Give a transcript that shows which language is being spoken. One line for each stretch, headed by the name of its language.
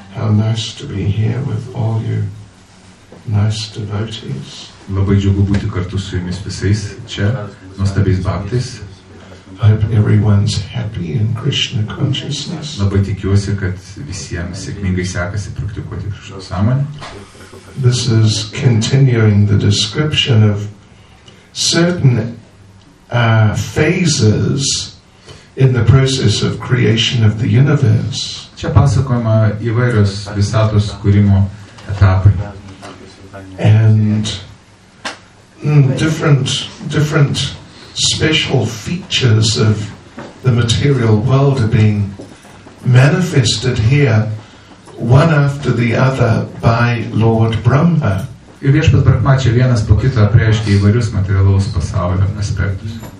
English: How nice to be here with all you nice devotees.
Lithuanian: Labai džiugu būti kartu su jumis visais čia, nuostabiais baktais.
English: Hope everyone's happy in Krishna consciousness.
Lithuanian: Labai tikiuosi, kad visiems sėkmingai sekasi praktikuoti Krishna sąmonę.
English: This is continuing the description of certain phases in the process of creation of the universe.
Lithuanian: Čia pasakojama įvairios visatos kūrimo etapai.
English: And different special features of the material world are being manifested here one after the other by Lord Brahma.
Lithuanian: Ir viešpats Brahma čia vienas po kito apreiškia įvairius materialaus pasaulio aspektus.